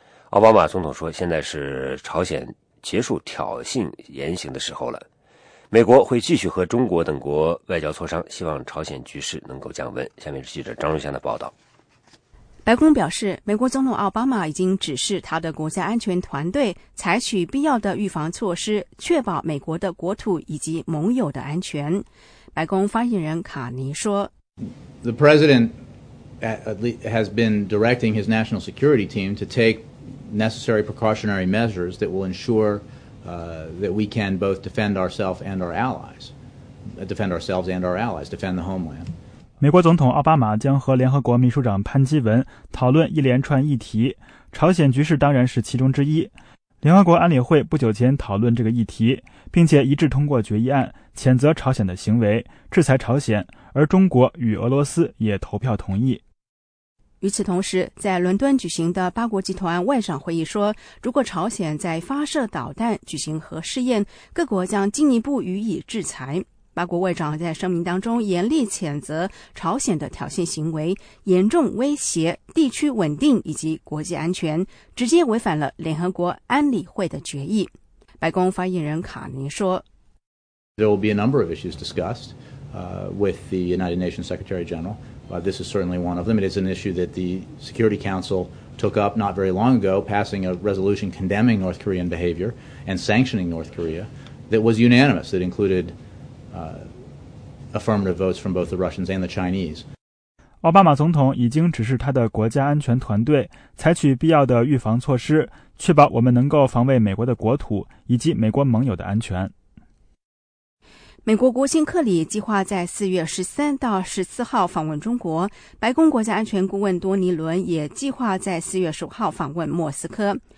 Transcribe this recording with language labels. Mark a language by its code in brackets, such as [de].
[zh] 奥巴马总统说，现在是朝鲜结束挑衅言行的时候了，美国会继续和中国等国外交磋商，希望朝鲜局势能够降温。下面是记者张瑞香的报道。白宫表示，美国总统奥巴马已经指示他的国家安全团队采取必要的预防措施，确保美国的国土以及盟友的安全。白宫发言人卡尼说， [en] The president has been directing his national security team to take necessary precautionary measures that will ensure that we can both defend ourselves and our allies, defend the homeland. [zh] 美国总统奥巴马将和联合国秘书长潘基文讨论一连串议题，朝鲜局势当然是其中之一。联合国安理会不久前讨论这个议题，并且一致通过决议案，谴责朝鲜的行为，制裁朝鲜，而中国与俄罗斯也投票同意。与此同时，在伦敦举行的八国集团外长会议说，如果朝鲜在发射导弹、举行核试验，各国将进一步予以制裁。八国外长在声明当中严厉谴责朝鲜的挑衅行为，严重威胁地区稳定以及国际安全，直接违反了联合国安理会的决议。白宫发言人卡尼说 [en] There will be a number of issues discussed with the United Nations Secretary General. This is certainly one of them. It is an issue that the Security Council took up not very long ago, passing a resolution condemning North Korean behavior and sanctioning North Korea that was unanimous, that included affirmative votes from both the Russians and the Chinese. [zh] 奥巴马总统已经指示他的国家安全团队采取必要的预防措施，确保我们能够防卫美国的国土以及美国盟友的安全。美国国务卿克里计划在4月13到14号访问中国，白宫国家安全顾问多尼伦也计划在4月15号访问莫斯科。